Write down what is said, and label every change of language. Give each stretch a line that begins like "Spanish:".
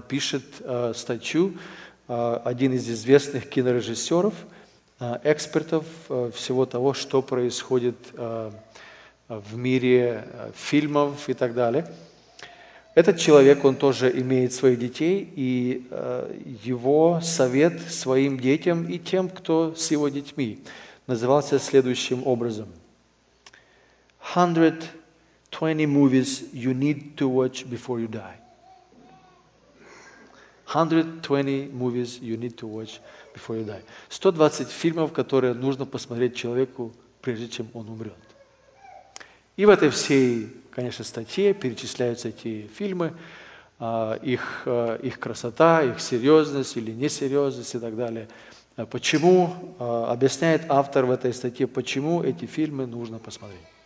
Russian: Пишет статью один из известных кинорежиссеров, экспертов всего того, что происходит в мире фильмов и так далее. Этот человек, он тоже имеет своих детей, и его совет своим детям и тем, кто с его детьми, назывался следующим образом.
English: 120 movies you need to watch before you die. 120 movies you need to watch before you die.
Russian: 120 фильмов, которые нужно посмотреть человеку, прежде чем он умрет. И в этой всей, конечно, статье перечисляются эти фильмы, их красота, их серьезность или несерьезность и так далее. Почему, объясняет автор в этой статье, почему эти фильмы нужно посмотреть.